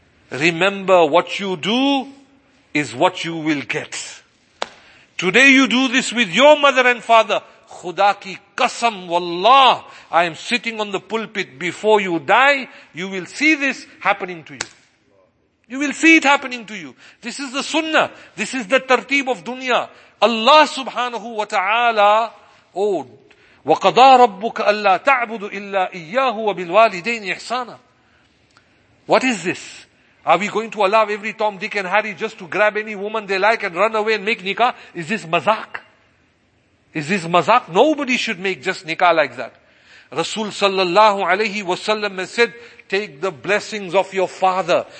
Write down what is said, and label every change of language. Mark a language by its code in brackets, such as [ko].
[en] Remember, what you do is what you will get. Today you do this with your mother and father. [ur] Khuda ki qasam, [en] wallah, I am sitting on the pulpit. Before you die, you will see this happening to you. You will see it happening to you. This is the sunnah. This is the tartib of dunya. [ar] Allah subhanahu wa ta'ala, oh, وَقَضَى رَبُّكَ أَلَّا تَعْبُدُ إِلَّا إِيَّاهُ وَبِالْوَالِدَيْنِ إِحْسَانًا. [en] What is this? Are we going to allow every Tom, Dick and Harry just to grab any woman they like and run away and make nikah? Is this mazak? Is this mazak? Nobody should make just nikah like that. Rasul sallallahu alayhi wa sallam has said, take the blessings of your father.